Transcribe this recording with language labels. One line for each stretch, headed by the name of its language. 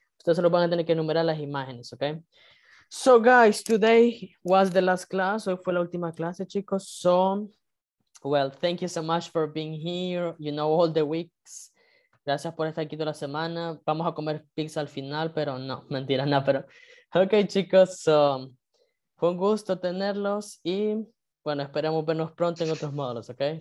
Spanish: Ustedes solo van a tener que enumerar las imágenes, okay?
English: So, guys, today was the last class.
Spanish: Hoy fue la última clase, chicos.
English: So, well, thank you so much for being here. You know, all the weeks.
Spanish: Gracias por estar aquí toda la semana. Vamos a comer pizza al final, pero no, mentira, no, pero... Okay, chicos, so, fue un gusto tenerlos y, bueno, esperemos vernos pronto en otros módulos, okay?